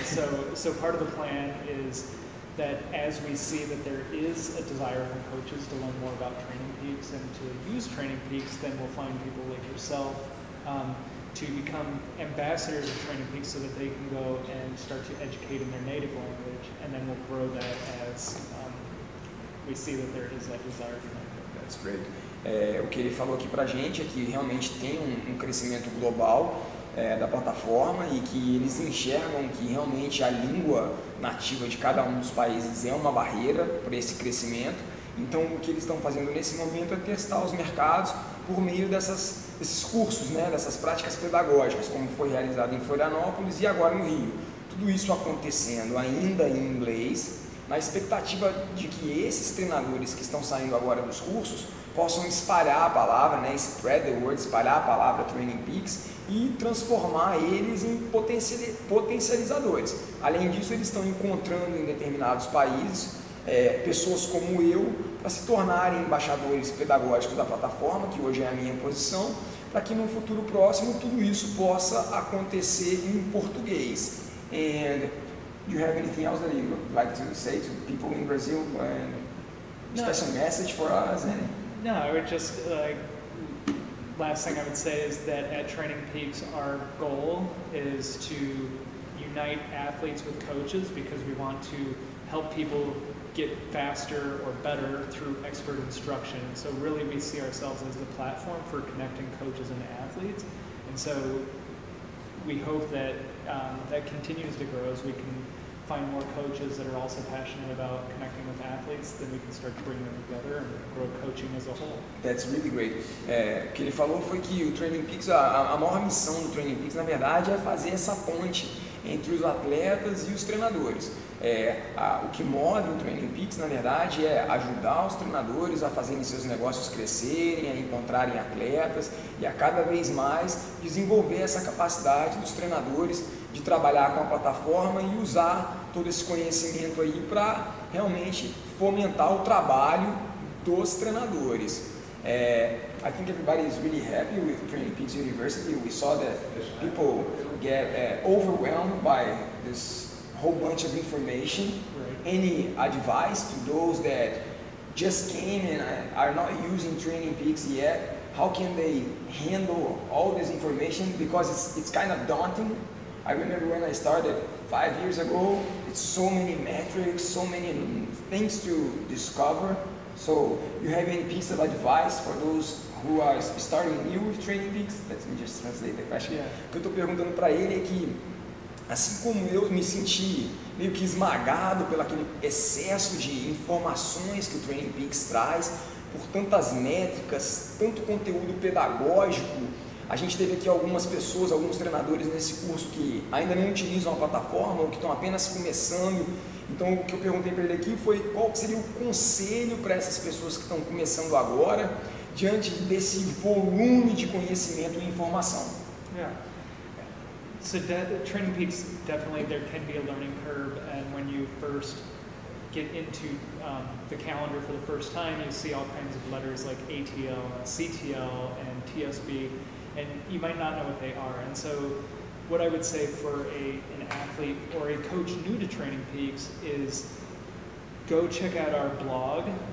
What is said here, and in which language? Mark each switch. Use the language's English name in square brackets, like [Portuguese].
[English] So part of the plan is that as we see that there is a desire from coaches to learn more about Training Peaks and to use Training Peaks, then we'll find people like yourself to become ambassadors of Training Peaks so that they can go and start to educate in their native language, and then we'll grow that as we see that there is that desire for them. That's great. [Portuguese] O que ele falou aqui pra gente é que realmente tem um crescimento global da plataforma e que eles enxergam que realmente a língua nativa de cada um dos países é uma barreira para esse crescimento. Então o que eles estão fazendo nesse momento é testar os mercados por meio desses cursos, né, dessas práticas pedagógicas, como foi realizado em Florianópolis e agora no Rio. Tudo isso acontecendo ainda em inglês, na expectativa de que esses treinadores que estão saindo agora dos cursos possam espalhar a palavra, né, [English] spread the word, [Portuguese] espalhar a palavra Training Peaks e transformar eles em potencializadores. Além disso, eles estão encontrando em determinados países pessoas como eu para se tornarem embaixadores pedagógicos da plataforma, que hoje é a minha posição, para que no futuro próximo tudo isso possa acontecer em português. [English] And do you have anything else that you would like to say to people in Brazil? And special message for us? No, I would just like last thing I would say is that at Training Peaks, our goal is to unite athletes with coaches because we want to help people get faster or better through expert instruction. So really, we see ourselves as the platform for connecting coaches and athletes, and so we hope that that continues to grow as we can find more coaches that are also passionate about connecting with athletes, then we can start to bring them together and grow coaching as a whole. That's really great. [Portuguese] O que ele falou foi que o Training Peaks, a maior missão do Training Peaks, na verdade, é fazer essa ponte entre os atletas e os treinadores. O que move o Training Peaks, na verdade, é ajudar os treinadores a fazerem seus negócios crescerem, a encontrarem atletas e a cada vez mais desenvolver essa capacidade dos treinadores de trabalhar com a plataforma e usar todo esse conhecimento aí para realmente fomentar o trabalho dos treinadores. [English] I think everybody is really happy with Training Peaks University. We saw that people get overwhelmed by this whole bunch of information. Right. Any advice to those that just came and are not using TrainingPeaks yet. How can they handle all this information? Because it's kind of daunting. I remember when I started 5 years ago, it's so many metrics, so many things to discover. So you have any piece of advice for those who are starting new with TrainingPeaks? Let me just translate the question. Yeah. [Portuguese] O que eu tô perguntando para ele é que, assim como eu me senti meio que esmagado pelo aquele excesso de informações que o TrainingPeaks traz, por tantas métricas, tanto conteúdo pedagógico, a gente teve aqui algumas pessoas, alguns treinadores nesse curso que ainda nem utilizam a plataforma ou que estão apenas começando. Então, o que eu perguntei para ele aqui foi qual seria o conselho para essas pessoas que estão começando agora diante desse volume de conhecimento e informação. [English] Yeah. So, TrainingPeaks, definitely there can be a learning curve, and when you first get into the calendar for the first time, you see all kinds of letters like ATL, CTL, and TSB, and you might not know what they are. And so what I would say for an athlete or a coach new to TrainingPeaks is go check out our blog.